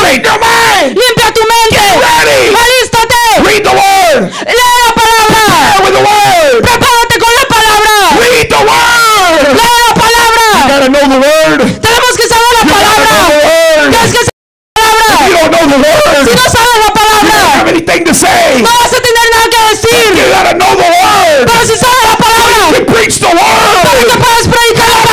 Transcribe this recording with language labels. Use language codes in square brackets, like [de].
[en] Clean your mind. [es] Limpia tu mente. [en] Get ready. [es] Alístate. [en] Read the word. [es] Lee la palabra. [en] Prepare with the word. [es] Prepárate con la palabra. [en] Read the word. [es] Lee la palabra. [en] You gotta know the word. [es] Tenemos que saber la palabra. Tienes que saber la palabra. [en] If you don't know the word. [es] Si no sabes la palabra. [en] You don't have anything to say. [es] No vas a tener nada que decir. [en] You gotta know the word. [es] Pero si sabes la palabra. [en] You can preach the word. [es] Para que puedas predicar.